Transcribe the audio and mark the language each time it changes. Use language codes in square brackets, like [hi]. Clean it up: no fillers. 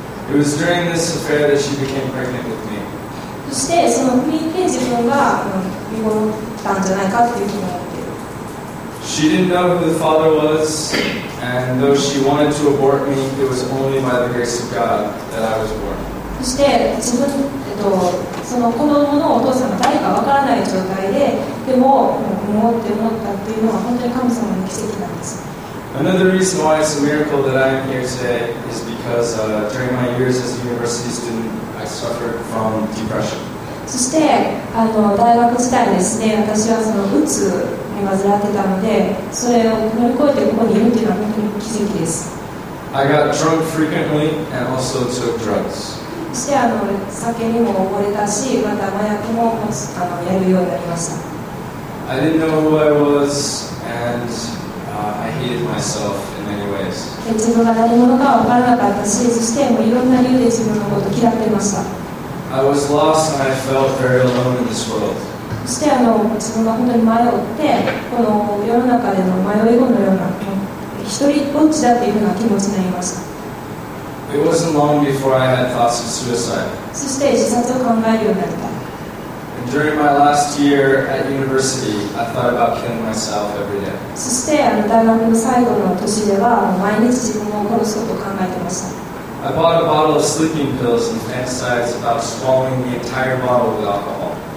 [en] It was during this affair that she became pregnant with me. [ja] そしてその不倫で自分が離婚したんじゃないかっていうふうに。 [en] She didn't know who the father was, and though she wanted to abort me, it was only by the grace of God that I was born. [ja] そして自分その子供のお父さんが誰かわからない状態で、でも思って思ったっていうのは本当に神様の奇跡なんです。 [en] Another reason why it's a miracle that I am here today is because during my years as a university student, I suffered from depression. [ja] そして大学時代ですね、私はその鬱患ってたので、それを乗り越えてここにいるというのは本当に奇跡です。 [en] I got drunk frequently and also took drugs. [ja] そして酒にも溺れたし、また麻薬もやるようになりました。 [en] I didn't know who I was and I hated myself in many ways. [ja] 自分が何者かわからなかったし、そしてもういろんな理由で自分のことを嫌っていました。 [en] I was lost and I felt very alone in this world. [ja] そして自分が本当に迷ってこの世の中での迷い子のような一人ぼっちだというような気持ちになりました。 [en] It wasn't long before I had thoughts of suicide. [ja] そして自殺を考えるようになった。 [en] And during my last year at university, I thought about killing myself every day. [ja] そして大学の最後の年では毎日自分を殺すことを考えていました。 [en] I bought a bottle of sleeping pills and fantasized about swallowing the entire bottle with alcohol.